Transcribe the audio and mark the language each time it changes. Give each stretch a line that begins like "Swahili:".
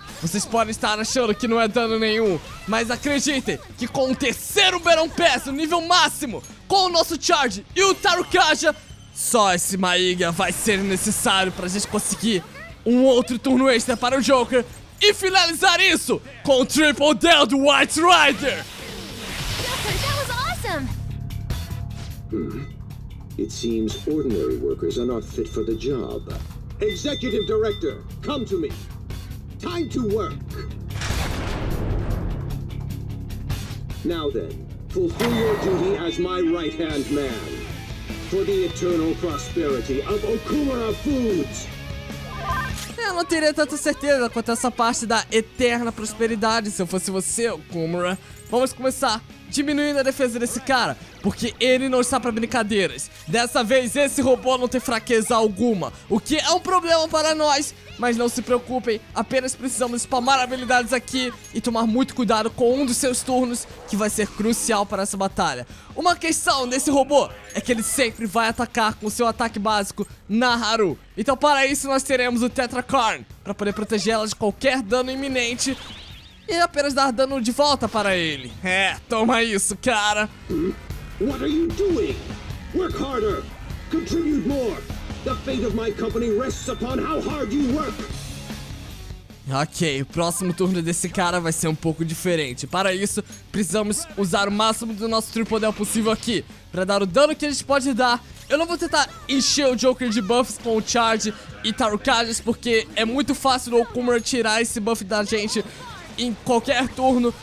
Portuguese: Vocês podem estar achando que não é dano nenhum, mas acreditem que com o terceiro Battle Pass, no nível máximo, com o nosso Charge e o Taro Kaja, só esse Maiga vai ser necessário pra gente conseguir um outro turno extra para o Joker e finalizar isso com o Triple Down do White Rider!
English: Joker, that was awesome! It seems ordinary workers are not fit for the job. Executive Director, come to me! Time to work! Now then, fulfill your duty as my right-hand man. For the eternal prosperity of Okumura Foods!
Portuguese: Eu não teria tanta certeza quanto essa parte da eterna prosperidade se eu fosse você, Okumura. Vamos começar diminuindo a defesa desse cara, porque ele não está para brincadeiras. Dessa vez, esse robô não tem fraqueza alguma, o que é um problema para nós. Mas não se preocupem, apenas precisamos spamar habilidades aqui e tomar muito cuidado com um dos seus turnos, que vai ser crucial para essa batalha. Uma questão desse robô é que ele sempre vai atacar com seu ataque básico na Haru. Então para isso nós teremos o Tetracorn, para poder protegê-la de qualquer dano iminente e apenas dar dano de volta para ele. É, toma isso, cara.
English: What are you doing? Work harder. Contribute more. The fate of my company rests upon how hard you work.
Portuguese: Ok, o próximo turno desse cara vai ser um pouco diferente. Para isso, precisamos usar o máximo do nosso Triple Down possível aqui, para dar o dano que a gente pode dar. Eu não vou tentar encher o Joker de buffs com o Charge e Taro Kajas, porque é muito fácil o Okumura tirar esse buff da gente em qualquer turno.